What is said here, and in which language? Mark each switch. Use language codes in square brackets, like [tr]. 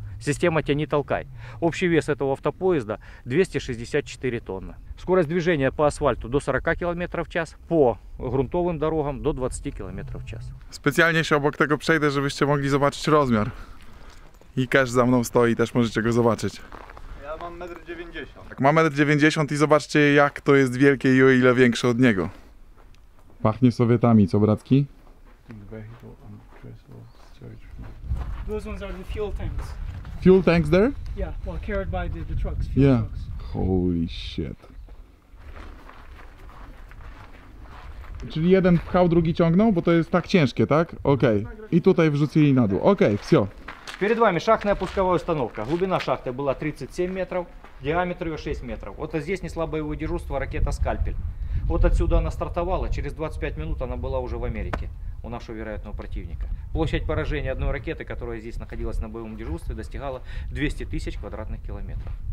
[ru] Система тяни-толкай. Общий вес этого автопоезда 264 тонны. Скорость движения по асфальту до 40 км в час, по грунтовым дорогам до 20 км в час. Специально еще обок того [pl] przejdę, [ru] чтобы вы могли увидеть размер. И каждый за мной стоит, тоже можете его увидеть. [pl] Mam 1,90 m. Tak, mam 1,90 m i zobaczcie, jak to jest wielkie i o ile większe od niego. Pachnie Sowietami, co bratki? [en] Those ones are the fuel tanks. Fuel tanks there? Yeah, well carried by the trucks, fuel trucks. Holy shit. [pl] Czyli jeden pchał, drugi ciągnął, bo to jest tak ciężkie, tak? Okej. Okay. I tutaj wrzucili na dół. Okej, okay, wsio. [ru] Перед вами шахтная пусковая установка. Глубина шахты была 37 метров, диаметр ее 6 метров. Вот здесь несла боевое дежурство ракета «Скальпель». Вот отсюда она стартовала, через 25 минут она была уже в Америке, у нашего вероятного противника. Площадь поражения одной ракеты, которая здесь находилась на боевом дежурстве, достигала 200 тысяч квадратных километров.